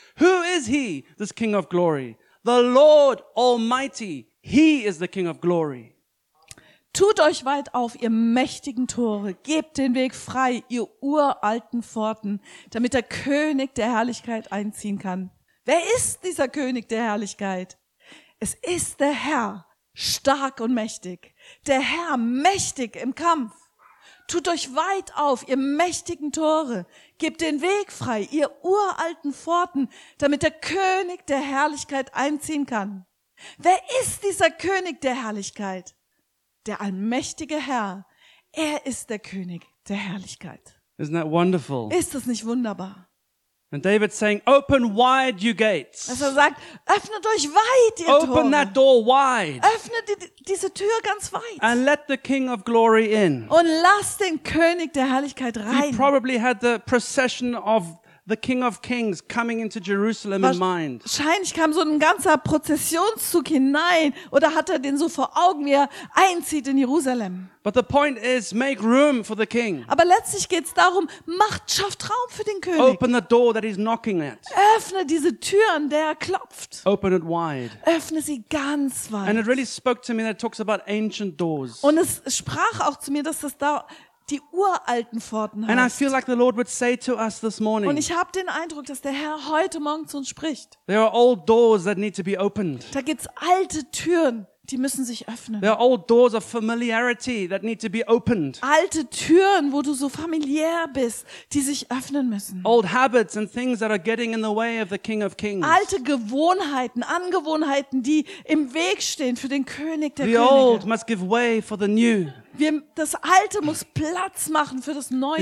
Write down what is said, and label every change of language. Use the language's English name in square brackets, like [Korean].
[English] Who is he, this King of Glory? The Lord Almighty. He is the King of Glory. [German] Tut euch weit auf, ihr mächtigen Tore. Gebt den Weg frei, ihr uralten Pforten, damit der König der Herrlichkeit einziehen kann. Wer ist dieser König der Herrlichkeit? Es ist der Herr, stark und mächtig. Der Herr, mächtig im Kampf. Tut euch weit auf, ihr mächtigen Tore. Gebt den Weg frei, ihr uralten Pforten, damit der König der Herrlichkeit einziehen kann. Wer ist dieser König der Herrlichkeit? Der allmächtige Herr. Er ist der König der Herrlichkeit. [English] Isn't that wonderful? [German] Ist das nicht wunderbar? [English] And David's saying, open wide you gates. [German] Also sagt, öffnet euch weit, ihr [English] open [German] Tore. [English] Open that door wide. [German] Öffnet diese Tür ganz weit. [English] And let the King of Glory in. [German] Und lasst den König der Herrlichkeit rein. [English] He probably had the procession of the King of Kings coming into Jerusalem in mind. [German] Wahrscheinlich kam so ein ganzer Prozessionszug hinein oder hat er den so vor Augen, wie er einzieht in Jerusalem. [English] But the point is, make room for the king. [German] Aber letztlich geht's darum, macht, schafft Raum für den König. [English] Open the door that he's knocking at. [German] Öffne diese Tür, an der er klopft. [English] Open it wide. [German] Öffne sie ganz weit. [English] And it really spoke to me that it talks about ancient doors. [German] Und es sprach auch zu mir, dass das da die uralten Pforten heißt. [English] And I feel like the Lord would say to us this morning. [German] Und ich habe den Eindruck, dass der Herr heute Morgen zu uns spricht. [English] There are old doors that need to be opened. [German] Da gibt's alte Türen, die müssen sich öffnen. [English] There are old doors of familiarity that need to be opened. [German] Alte Türen, wo du so familiär bist, die sich öffnen müssen. [English] Old habits and things that are getting in the way of the King of Kings. [German] Alte Gewohnheiten, Angewohnheiten, die im Weg stehen für den König der Könige. [English] The old must give way for the new. [German] das Alte muss Platz machen für das Neue.